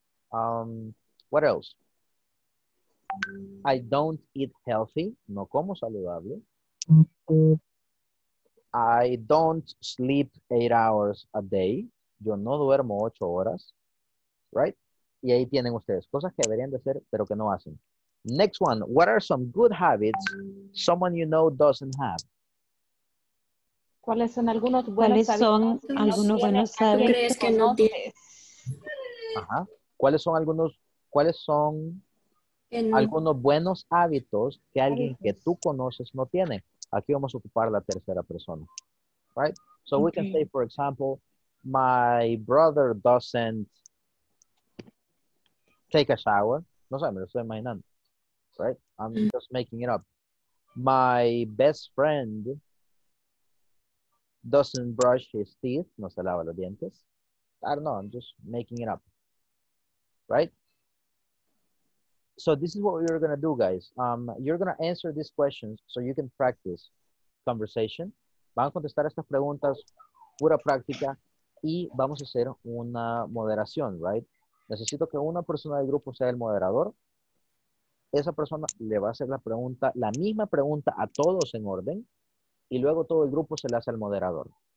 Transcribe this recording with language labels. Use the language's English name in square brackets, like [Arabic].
[English] What else? I don't eat healthy. [Spanish] No como saludable. [English] I don't sleep 8 hours a day. [Spanish] Yo no duermo 8 horas. Right? Y ahí tienen ustedes cosas que deberían de hacer, pero que no hacen. [English] Next one. What are some good habits someone you know doesn't have? [Spanish] ¿Cuáles son algunos buenos hábitos que no tienes? Ajá. ¿Cuáles son algunos buenos hábitos que alguien que tú conoces no tiene? Aquí vamos a ocupar la tercera persona. [English] Right? So okay. We can say, for example, my brother doesn't take a shower. [Spanish] No sé, me lo estoy imaginando. [English] Right? I'm just making it up. My best friend doesn't brush his teeth. [Spanish] No se lava los dientes. [English] I don't know. I'm just making it up. Right? So this is what we're going to do, guys. You're going to answer these questions so you can practice conversation. [Spanish] Van a contestar estas preguntas pura práctica y vamos a hacer una moderación, right? Necesito que una persona del grupo sea el moderador. Esa persona le va a hacer la misma pregunta a todos en orden. Y luego todo el grupo se le hace al moderador.